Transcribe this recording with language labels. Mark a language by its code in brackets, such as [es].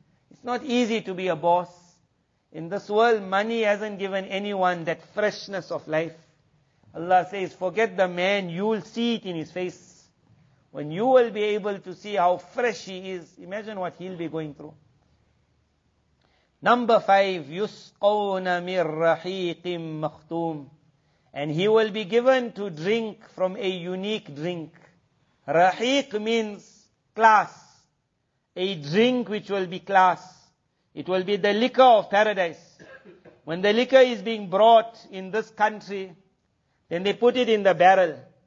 [en] It's not easy to be a boss. In this world, money hasn't given anyone that freshness of life. Allah says, forget the man, you'll see it in his face. When you will be able to see how fresh he is, imagine what he'll be going through. Number 5, [ar] يُسْقَوْنَ مِنْ رَحِيقٍ مَخْتُومٍ. [en] And he will be given to drink from a unique drink. Rahiq means class. A drink which will be class. It will be the liquor of paradise. When the liquor is being brought in this country, then they put it in the barrel.